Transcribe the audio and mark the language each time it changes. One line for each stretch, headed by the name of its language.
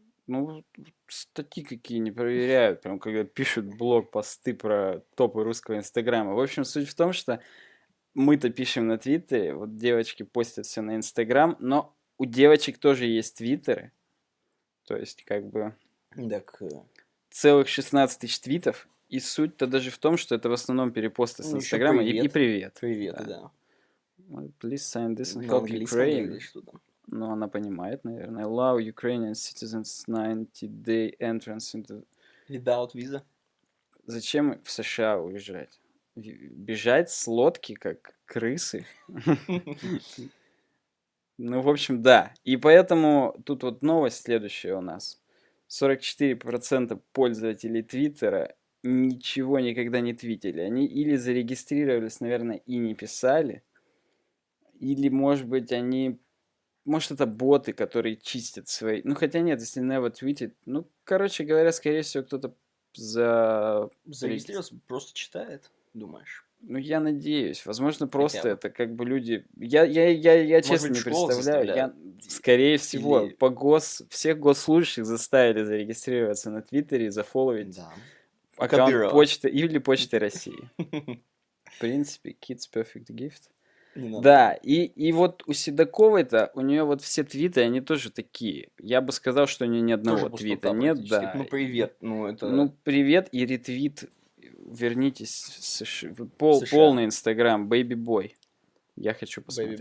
Russian: Ну, статьи какие не проверяют, прям когда пишут блог-посты про топы русского инстаграма. В общем, суть в том, что мы-то пишем на Твиттере, вот девочки постят все на Инстаграм, но у девочек тоже есть Твиттеры. То есть, как бы... Так... Целых 16 тысяч твитов, и суть-то даже в том, что это в основном перепосты с Инстаграма. Привет. И привет. Привет, да.
English: Please sign this and help Ukraine.
Russian: Ну, она понимает, наверное.
English: Allow Ukrainian citizens 90-day entrance into... Without visa.
Russian: Зачем в США уезжать? Бежать с лодки, как крысы? Ну, в общем, да. И поэтому тут вот новость следующая у нас. 44% пользователей Твиттера ничего никогда не твитили. Они или зарегистрировались, наверное, и не писали, или, может быть, они... Может, это боты, которые чистят свои... Ну, хотя нет, если
English: never tweeted...
Russian: Ну, короче говоря, скорее всего, кто-то за... Зарегистрировался, просто читает, думаешь? Ну, я надеюсь. Возможно, просто хотя... это как бы люди... Я честно, быть, не представляю. Скорее всего, или... всех госслужащих заставили зарегистрироваться на Твиттере, зафоловить аккаунт почты или Почты России. В принципе,
English: kids perfect gift.
Russian: Да, и вот у Седоковой-то, у нее вот все твиты, они тоже такие. Я бы сказал, что у нее ни одного тоже твита нет, да. Ну, привет, ну это... Ну, привет и ретвит, вернитесь в США. США. Полный Инстаграм,
English: Baby Boy.
Russian: Я хочу посмотреть.